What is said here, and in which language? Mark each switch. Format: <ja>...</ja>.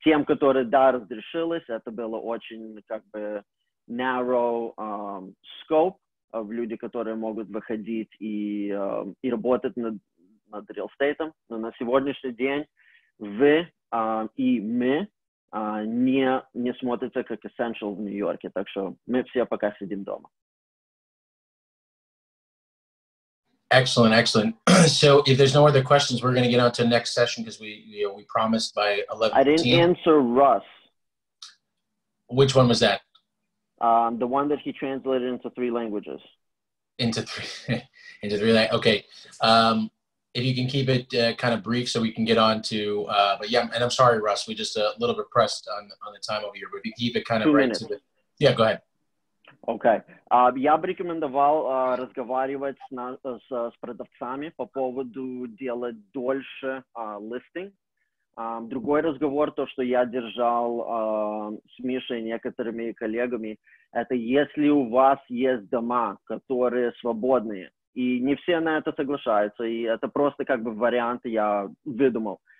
<ru>Тем, которые, да, разрешилось, это было очень, как бы,</ru> <en>narrow scope</en> <ru>в люди, которые могут выходить и работать над real estate. Но на сегодняшний день вы и мы не смотрятся как essential в Нью-Йорке, так что мы все пока сидим дома.</ru> <en>Excellent, excellent. So if there's no other questions, we're going to get on to the next session because we promised by 11:15. I didn't answer Russ. Which one was that? The one that he translated into three languages. Into three languages. Okay. If you can keep it kind of brief so we can get on to, but yeah, and I'm sorry, Russ, we're just a little bit pressed on the time over here, but if you keep it kind of right to the, yeah, go ahead. Окей. Okay.</en> <ru>Я бы рекомендовал разговаривать с продавцами по поводу делать дольше листинг. Другой разговор, то, что я держал с Мишей и некоторыми коллегами, это если у вас есть дома, которые свободные, и не все на это соглашаются, и это просто как бы варианты я выдумал.</ru>